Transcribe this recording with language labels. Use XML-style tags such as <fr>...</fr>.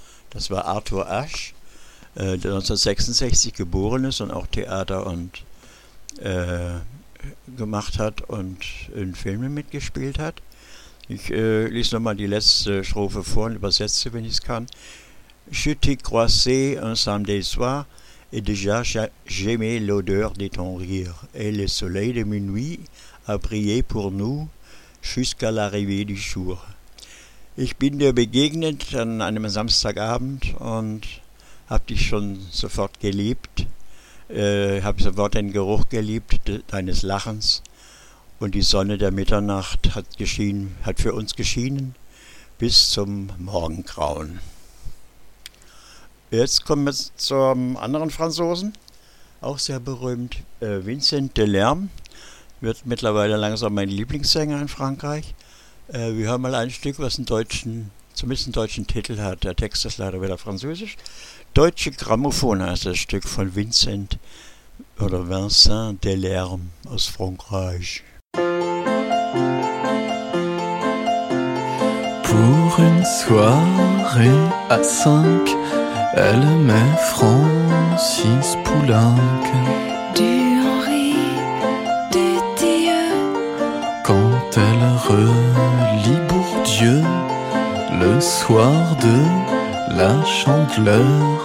<de>Das war Arthur Asch, der 1966 geboren ist und auch Theater und gemacht hat und in Filmen mitgespielt hat. Ich lese nochmal die letzte Strophe vor und übersetze, wenn ich es kann.</de> <fr>Je t'ai croisé un samedi soir et déjà j'aimais l'odeur de ton rire et le soleil de minuit a brillé pour nous jusqu'à l'arrivée du jour.</fr> <de>Ich bin dir begegnet an einem Samstagabend und hab dich schon sofort geliebt, hab sofort den Geruch geliebt deines Lachens und die Sonne der Mitternacht hat geschienen, hat für uns geschienen bis zum Morgengrauen. Jetzt kommen wir zum anderen Franzosen, auch sehr berühmt, Vincent Delerme, wird mittlerweile langsam mein Lieblingssänger in Frankreich. Wir hören mal ein Stück, was einen deutschen, zumindest einen deutschen Titel hat. Der Text ist leider wieder französisch. Deutsche Grammophone heißt das Stück von Vincent oder Vincent Delerme aus Frankreich.</de> <fr>Pour une soirée à cinq, elle met Francis Poulenc. Du Henri, du Tilleul. Quand elle relit Bourdieu, le soir de la Chandeleur.</fr>